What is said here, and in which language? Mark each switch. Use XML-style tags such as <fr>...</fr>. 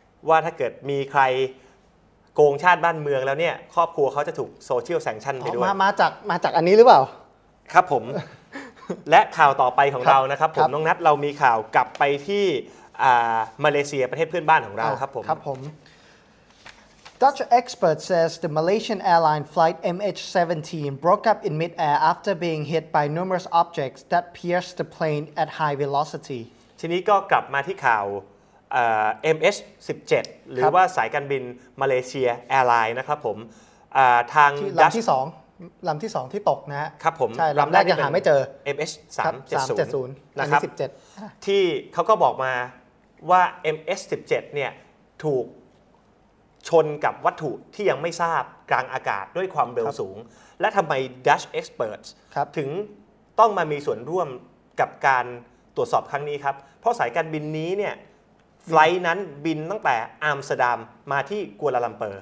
<th>ว่าถ้าเกิดมีใครก โกงชาติบ้านเมืองแล้วเนี่ยครอบครัวเขาจะถูกโซเชียลแซงชั่นไปด้วย มาจากอันนี้หรือเปล่า ครับผม และข่าวต่อไปของเรานะครับผมน้องนัทเรามีข่าวกลับไปที่มาเลเซียประเทศเพื่อนบ้านของเราครับผม ครับผม</th> <en>Dutch expert says the Malaysian airline flight MH17 broke up in mid-air after being hit by numerous objects that pierced the plane at high velocity</en> <th>ทีนี้ก็กลับมาที่ข่าวMH17 หรือว่าสายการบินมาเลเซียแอร์ไลน์นะครับผมทาง ลำที่2ที่ตกนะ ครับผม ลำแรกยังหาไม่เจอ MH370 นะครับ17 ที่เขาก็บอกมาว่า MH17 เนี่ยถูกชนกับวัตถุที่ยังไม่ทราบกลางอากาศด้วยความเร็วสูงและทำไม Dutch Experts ถึงต้องมามีส่วนร่วมกับการตรวจสอบครั้งนี้ครับเพราะสายการบินนี้เนี่ยไฟล์นั้นบินตั้งแต่อัมสเตอร์ดัมมาที่กัวลาลัมเปอร</th>